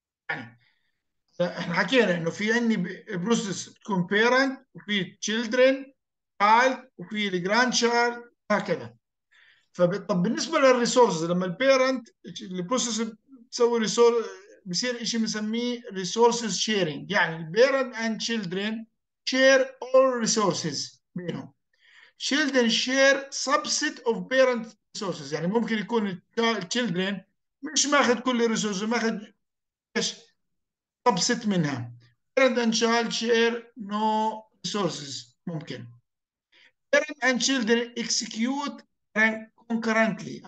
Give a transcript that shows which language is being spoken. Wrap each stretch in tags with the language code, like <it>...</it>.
<ar>يعني احنا حكينا انه في عندي بروسيس تكون بيرنت، وفي تشيلدرن child، وفي الجراند تشايلد، هكذا. طب بالنسبه للريسورسز، لما البيرنت البروسيس تسوي ريسورس بصير شيء بنسميه resources sharing.</ar> <en>يعني parent and children share all resources بينهم. Children share subset of parent resources.</en> <ar>يعني ممكن يكون children مش ماخذ كل الريسورسز، ماخذ ايش subset منها.</ar> <en>Parent and child share no resources. ممكن parent and children execute concurrently.</en>